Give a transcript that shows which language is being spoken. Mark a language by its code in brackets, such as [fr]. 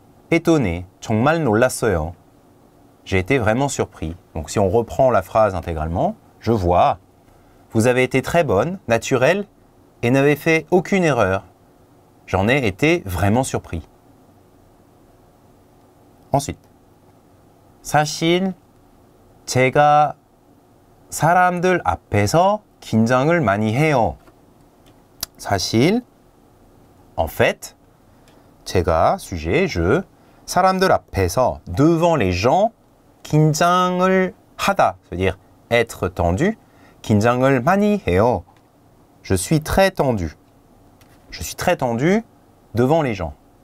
[fr] étonné, [ko] 정말 놀랐어요. [fr] J'ai été vraiment surpris. Donc si on reprend la phrase intégralement, je vois. Vous avez été très bonne, naturelle, et n'avez fait aucune erreur. J'en ai été vraiment surpris. Ensuite. [ko] 사실 제가 사람들 앞에서 긴장을 많이 해요. 사실, [fr] en fait, [ko] 제가, [fr] sujet, je, [ko] 사람들 앞에서, [fr] devant les gens, [ko] 긴장을 하다, [fr] c'est-à-dire être tendu, [ko] 긴장을 많이 해요. [fr] Je suis très tendu devant les gens.